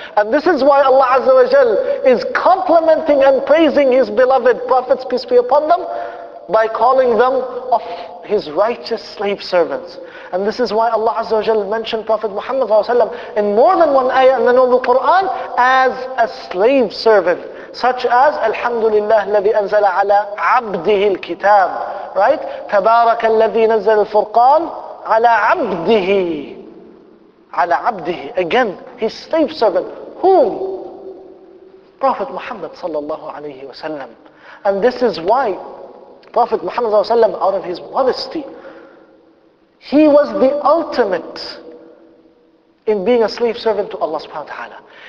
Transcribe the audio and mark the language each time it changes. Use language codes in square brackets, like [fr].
[en] And this is why Allah Azza wa Jal is complimenting and praising His beloved prophets, peace be upon them, by calling them of His righteous slave servants. And this is why Allah Azza wa Jal mentioned Prophet Muhammad in more than one ayah in the Noble Quran as a slave servant. Such as, [ar] Alhamdulillah, الذي أنزل على عبده الكتاب. [en] Right? [ar] تبارك الذي نزل الفرقان على عبده. Ala abdihi, [en] again, his slave servant, whom? Prophet Muhammad sallallahu alayhi wa sallam. And this is why Prophet Muhammad sallallahu alayhi wa sallam, out of his modesty, he was the ultimate in being a slave servant to Allah subhanahu wa ta'ala.